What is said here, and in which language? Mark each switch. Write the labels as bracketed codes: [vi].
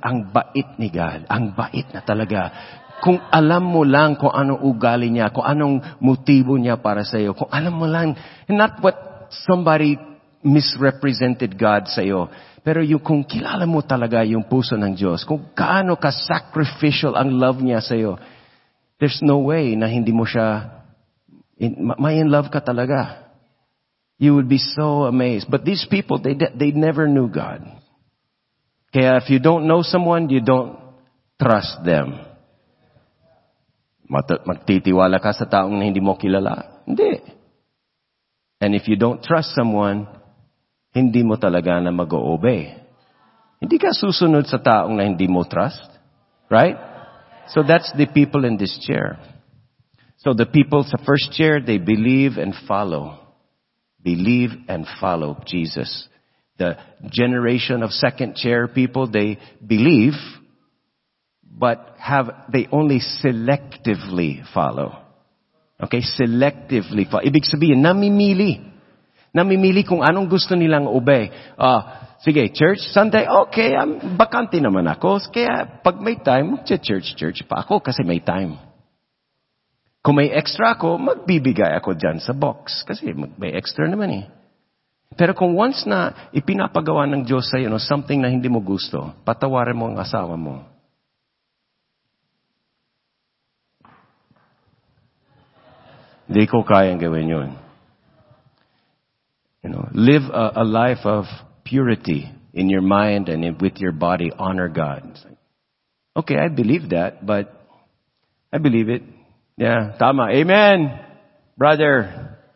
[tl] Ang bait ni God. Ang bait na talaga. Kung alam mo lang kung anong ugali niya, kung anong motibo niya para sa iyo, kung alam mo lang, [en] not what somebody misrepresented God [tl] sa iyo, pero yung kung kilala mo talaga yung puso ng Diyos, kung gaano ka sacrificial ang love niya sa iyo, [en] there's no way [tl] na hindi mo siya, may in love ka talaga. [en] You would be so amazed. But these people, they never knew God. Kaya if you don't know someone, you don't trust them. [tl] Magtitiwala ka sa taong na hindi mo kilala? Hindi. [en] And if you don't trust someone, [tl] hindi mo talaga na mag-o-obey. Hindi ka susunod sa taong na hindi mo trust. [en] Right? So that's the people in this chair. So the people sa first chair, they believe and follow. Believe and follow Jesus. the generation of second chair people, they believe, but they only selectively follow. Okay, selectively follow. [tl] Ibig sabihin, namimili. Namimili kung anong gusto nilang obey. Sige, church, Sunday, okay, bakante naman ako. Kaya pag may time, mag-church pa ako kasi may time. Kung may extra ako, magbibigay ako dyan sa box kasi may extra naman eh. Pero kung once na ipinapagawa ng Diyos sa iyo, no, something na hindi mo gusto, patawarin mo ang asawa mo. Hindi ko kayang gawin yun. [en] You know, live a life of purity in your mind and with your body. Honor God. Okay, I believe that, but I believe it. Yeah, tama. Amen, brother.